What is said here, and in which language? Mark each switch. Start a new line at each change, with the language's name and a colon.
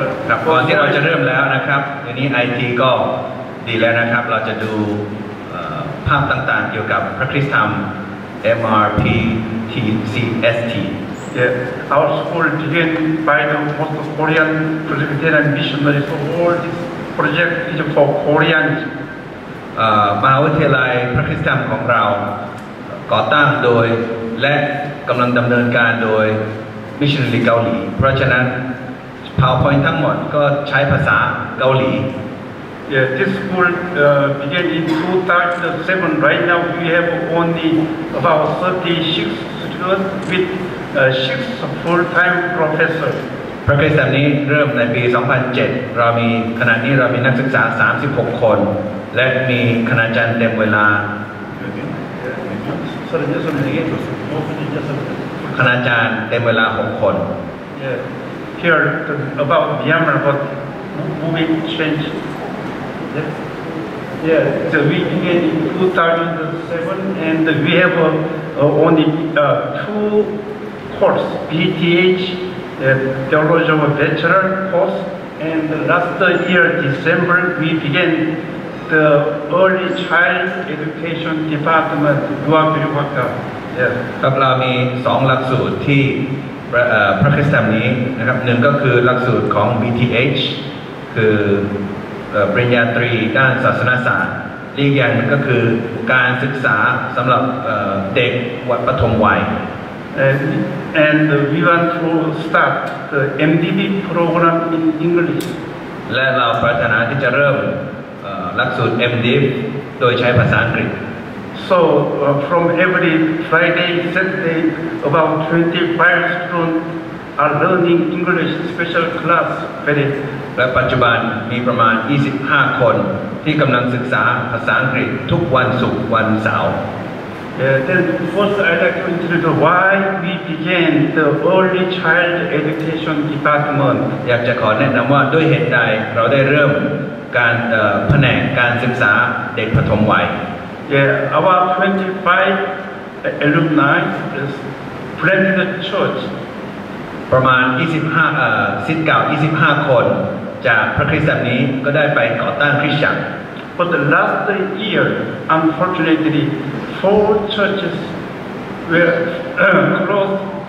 Thai: ครับก่อนที่เราจะเริ่มแล้วนะครับทีนี้ IT ก็ดีแล้วนะครับเราจะดูภาพต่างๆเกี่ยวกับพระคริสตธรรม MRP TCST
English: Yeah, our school began by the most Korean Presbyterian missionary. So all this project is for Koreans.
Thai: มหาวิทยาลัยพระคริสตจักรของเราก่อตั้งโดยและกำลังดำเนินการโดย missionary เกาหลีเพราะฉะนั้น PowerPoint ทั้งหมดก็ใช้ภาษาเกาหลี
English: Yeah, this school began in 2007. Right now we have only about 36 students with six full-time professors.
Thai: พระคริสตจักรนี้เริ่มในปี 2007 เรามีขณะนี้เรามีนักศึกษา 36 คน และมีคณาจารย์เต็มเวลา คณาจารย์เต็มเวลา 6 คน
English: Here, about Myanmar, but moving change. Yeah, we began in 2007 and we have only two course, BTH, theological bachelor course, and last year, December, we began the early child education department, Luang Biruwaka.
Thai: ครับเรามี2หลักสูตรที่พระคริสตธรรมนี้นะครับหนึ่งก็คือหลักสูตรของ BTH, คือปริญญาตรีด้านศาสนศาสตร์อีกอย่างหนึ่งก็คือการศึกษาสำหรับเด็กวัยปฐมวัย
English: And we want to start the MDB program in English.
Thai: และเราปรารถนาที่จะเริ่มหลักสูตร MDB โดยใช้ภาษาอังกฤษ
English: So from every Friday, Saturday, about 25 students are learning English special class.
Thai: และปัจจุบันมีประมาณ25คนที่กำลังศึกษาภาษาอังกฤษทุกวันศุกร์วันเสาร์
English: Then first I'd like to introduce why we began the early child education department.
Thai: อยากจะขอแนะนำว่าด้วยเหตุใดเราได้เริ่มการแผนกการศึกษาเด็กปฐมวัย
English: Yeah, our 25 alumni is planted the church.
Thai: ประมาณ25ศิษย์เก่า25คนจากพระคริสตจักรนี้ก็ได้ไปก่อตั้งคริสตจักร
English: But the last year, unfortunately, four churches were closed